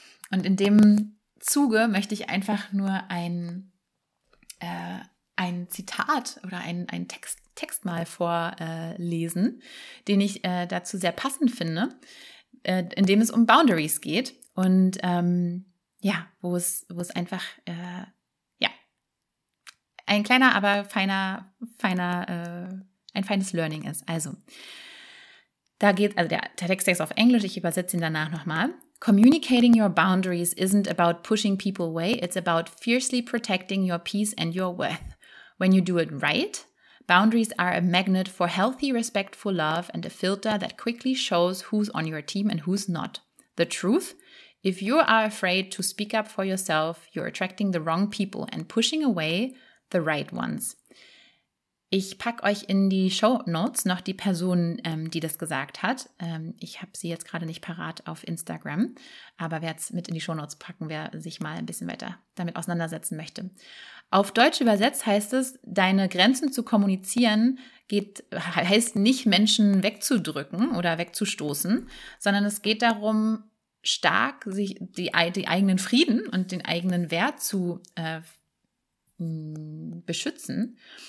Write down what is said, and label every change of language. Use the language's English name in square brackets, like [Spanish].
[German] Und in dem Zuge möchte ich einfach nur ein Zitat oder ein Text mal vorlesen, den ich dazu sehr passend finde, in dem es um Boundaries geht und wo es einfach ein kleiner, aber feines Learning ist. Also da geht also der Text ist auf Englisch. Ich übersetze ihn danach nochmal. [English] Communicating your boundaries isn't about pushing people away. It's about fiercely protecting your peace and your worth. When you do it right, boundaries are a magnet for healthy, respectful love and a filter that quickly shows who's on your team and who's not. The truth, if you are afraid to speak up for yourself, you're attracting the wrong people and pushing away the right ones. [German] Ich packe euch in die Show Notes noch die Person, die das gesagt hat. Ich habe sie jetzt gerade nicht parat auf Instagram, aber werde es mit in die Show Notes packen, wer sich mal ein bisschen weiter damit auseinandersetzen möchte. Auf Deutsch übersetzt heißt es, deine Grenzen zu kommunizieren heißt nicht, Menschen wegzudrücken oder wegzustoßen, sondern es geht darum, stark sich die eigenen Frieden und den eigenen Wert zu beschützen.